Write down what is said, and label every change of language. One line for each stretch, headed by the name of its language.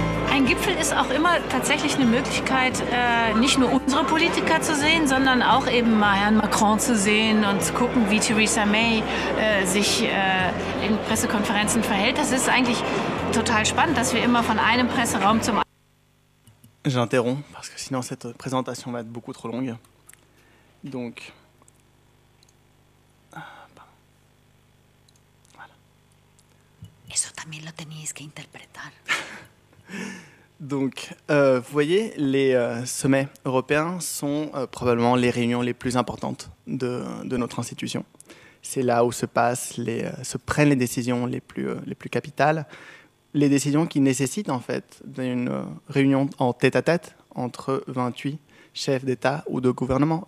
German: Ein Gipfel ist auch immer tatsächlich eine Möglichkeit, nicht nur unsere Politiker zu sehen, sondern auch eben mal Herrn Macron zu sehen und zu gucken, wie Theresa May sich in Pressekonferenzen verhält. Das ist eigentlich total spannend, dass wir immer von einem Presseraum zum anderen.
French: J'interromps, parce que sinon cette présentation va être beaucoup trop longue. Donc. Voilà.
Spanish: Eso también lo tenéis que interpretar.
French: Donc, vous voyez, les sommets européens sont probablement les réunions les plus importantes de notre institution. C'est là où se prennent les décisions les plus capitales, les décisions qui nécessitent en fait d'une réunion en tête-à-tête entre 28 chefs d'État ou de gouvernement.